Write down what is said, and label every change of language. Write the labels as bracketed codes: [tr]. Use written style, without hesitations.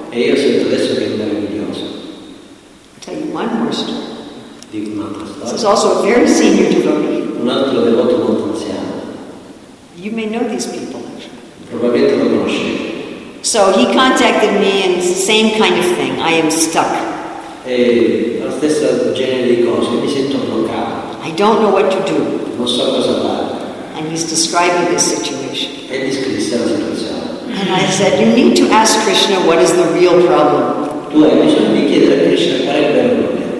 [it] E io sento adesso che è meraviglioso. [en] I'll tell you one more story. [it] Dico un'altra storia. [en] This is also a very senior devotee. [it] Un altro devoto molto anziano. [en] You may know these people. [it] Probabilmente lo conosci. [en] So he contacted me and it's the same kind of thing. I am stuck. [it] E la stessa genere di cose, mi sento bloccato. [en] I don't know what to do. [it] Non so cosa fare. [en] And he's describing this situation. [it] E gli scrisse la situazione. [en] And I said, you need to ask Krishna what is the real problem. [it] Tu hai bisogno di chiedere a Krishna qual è il vero problema.